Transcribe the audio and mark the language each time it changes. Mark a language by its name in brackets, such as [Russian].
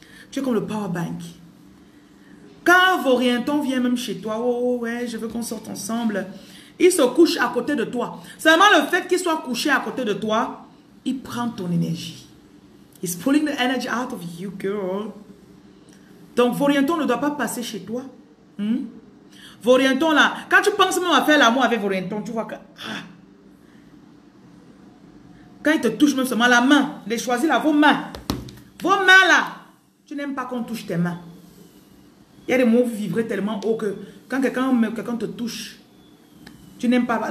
[French] Tu es comme le power bank. Quand Vaurienton vient même chez toi, oh ouais, je veux qu'on sorte ensemble. Il se couche à côté de toi. Seulement le fait qu'il soit couché à côté de toi, il prend ton énergie. [English] He's pulling the energy out of you, girl. [French] Donc Vaurienton ne doit pas passer chez toi. Hmm? Vaurienton là, quand tu penses même à faire l'amour avec Vaurienton, tu vois que... Ah, quand il te touche même seulement la main, les choisis là, vos mains. Vos mains là, tu n'aimes pas qu'on touche tes mains. Il y a des moments où vous vivrez tellement haut que quand quelqu'un te touche, tu n'aimes pas...